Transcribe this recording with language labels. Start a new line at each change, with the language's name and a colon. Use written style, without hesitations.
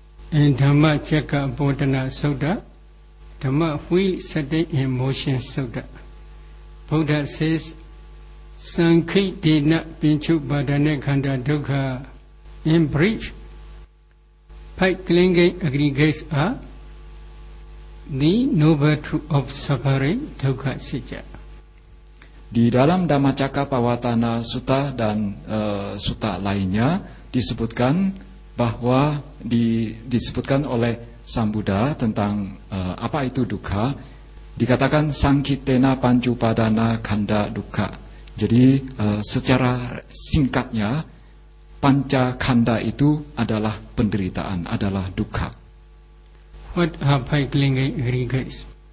English: In Dhamma Jaga Bodhana Sutta, Dhamma Wheel Setting in Motion Sutta, Buddha says,
Pali: Sankhitina Pinchu Badane Khanda Dukkha.
English: In brief, five clinging aggregates are the noble truth of suffering, Dukkha Sijja.
Indonesian: Di dalam Dhammacakka Pavattana Sutta dan sutta lainnya, disebutkan bahwa disebutkan oleh Sambuddha tentang apa itu dukkha, dikatakan
Pali: sankhitena pancupadana khanda dukkha.
Indonesian: Jadi secara singkatnya, panca khanda itu adalah penderitaan, adalah dukkha.
English: What are five clinging aggregates?